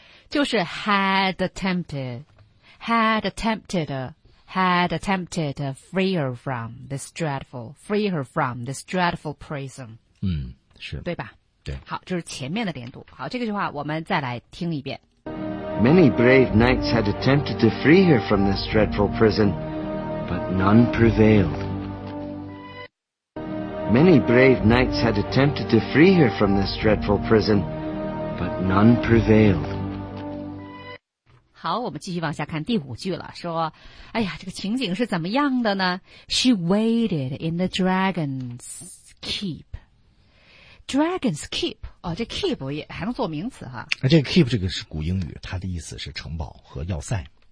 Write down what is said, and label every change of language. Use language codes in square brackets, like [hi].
[en] 就是 had attempted, had attempted, had attempted to free her from this dreadful, free her from this dreadful prison. [zh] 嗯，是。对吧？对，好，这是前面的连读。好，这个句话我们再来听一遍。 [en] Many brave knights had attempted to free her from this dreadful prison, but none prevailed. Many brave knights had attempted to free her from this dreadful prison, but none prevailed. [zh] 好，我们继续往下看第五句了。说，哎呀，这个情景是怎么样的呢 ？ [en] She waited in the dragon's keep. [zh] Dragon's Keep, 哦，这 Keep 也还能做名词哈。这个 Keep 这个是古英语，它的意思是城堡和要塞、